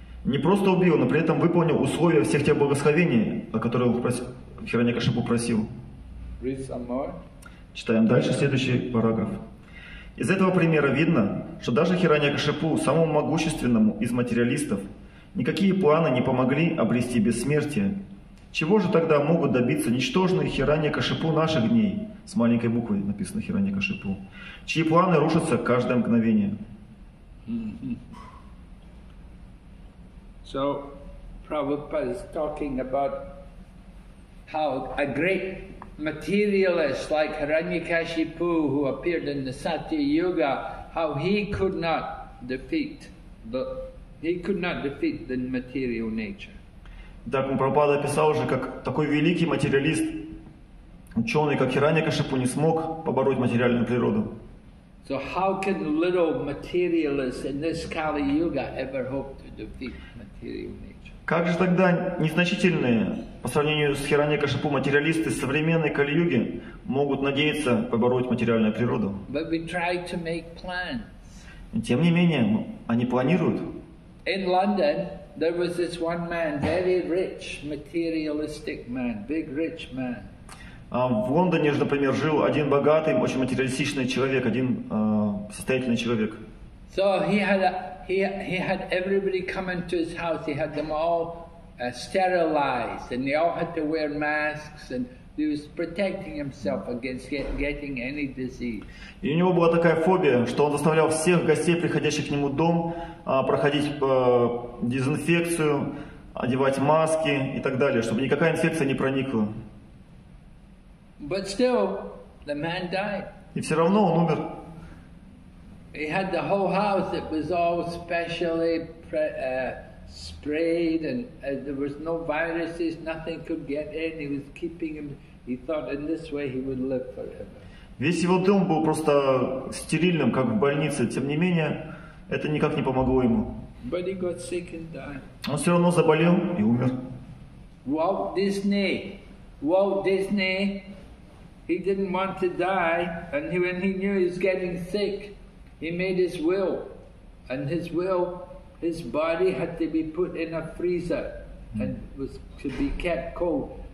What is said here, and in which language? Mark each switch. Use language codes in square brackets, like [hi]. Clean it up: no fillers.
[ru] Не просто убил, но при этом выполнил условия всех тех благословений, о которых Хиранья-Кашипу просил. [en] Read some more. [ru] Читаем дальше, следующий параграф. Из этого примера видно, что даже Хиранья-Кашипу, самому могущественному из материалистов, никакие планы не помогли обрести бессмертие. Чего же тогда могут добиться ничтожные Хиранья-Кашипу наших дней? С маленькой буквой написано Хиранья-Кашипу. Чьи планы рушатся каждое мгновение? [en] So, Prabhupada is talking about how a great materialist like Hiranyakashipu, who appeared in the Satya Yuga, how he could not defeat the material nature. [ru] Так Прабхупада описал уже, как такой великий материалист, ученый, как Хиранья-Кашипу, не смог побороть материальную природу. [en] So how can little materialists in this Kali Yuga ever hope to defeat material nature? [ru] Как же тогда незначительные, по сравнению с Хиранья-Кашипу, материалисты современной Кали-Юги могут надеяться побороть материальную природу? [en] But we try to make plans. [ru] Тем не менее, они планируют. [en] In London, there was this one man, very rich, materialistic man, big rich man. [ru] В Лондоне, например, жил один богатый, очень материалистичный человек, один состоятельный человек. [en] So he had everybody come into his house. He had them all sterilized, and they all had to wear masks. And he was protecting himself against getting any disease. [ru] И у него была такая фобия, что он заставлял всех гостей, приходящих к нему в дом, проходить дезинфекцию, одевать маски и так далее, чтобы никакая инфекция не проникла. [en] But still, the man died. [ru] И все равно он умер. [en] He had the whole house, it was all specially sprayed, and there was no viruses, nothing could get in, he was keeping him, he thought in this way he would live forever. [ru] Весь его дом был просто стерильным, как в больнице, тем не менее, это никак не помогло ему. [en] But he got sick and died. [ru] Он все равно заболел и умер. [en] Walt Disney, he didn't want to die, and when he knew he was getting sick, he made his will, and his will, his body had to be put in a freezer and was to be kept cold.